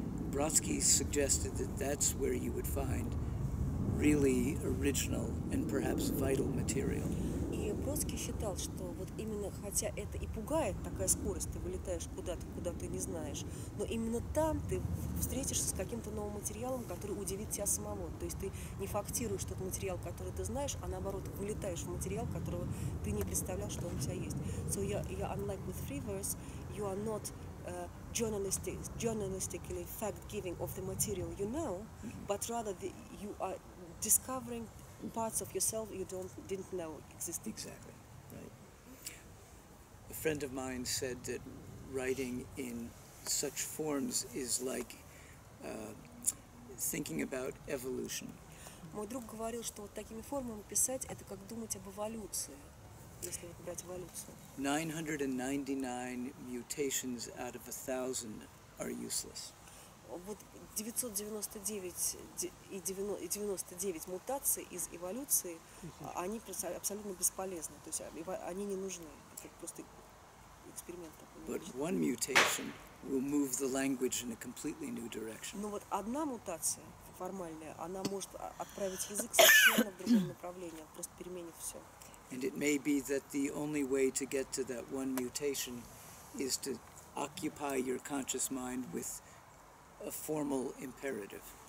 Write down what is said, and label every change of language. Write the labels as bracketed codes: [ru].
[en] Бродский suggested that that's where you would find really original and perhaps vital material. [ru] И Бродский считал, что вот именно, хотя это и пугает, такая скорость, ты вылетаешь куда-то, куда ты не знаешь, но именно там ты встретишься с каким-то новым материалом, который удивит тебя самого. То есть ты не фактируешь тот материал, который ты знаешь, а наоборот, вылетаешь в материал, которого ты не представлял, что он у тебя есть. [en] So you're unlike with free verse, you are not journalistically fact-giving of the material you know, but rather you are discovering parts of yourself you didn't know existed. Exactly, right. A friend of mine said that writing in such forms is like thinking about evolution. [ru] Мой друг говорил, что вот такими формами писать – это как думать об эволюции. Если вот брать эволюцию. [en] 999 mutations out of 1,000 are useless. [ru] Вот 999 мутаций из эволюции, они абсолютно бесполезны, то есть они не нужны. Это просто эксперимент такой. [en] But one mutation will move the language in a completely new direction. [ru] Но вот одна мутация формальная, она может отправить язык совершенно в другом направлении, просто переменит все. [en] And it may be that the only way to get to that one mutation is to occupy your conscious mind with a formal imperative.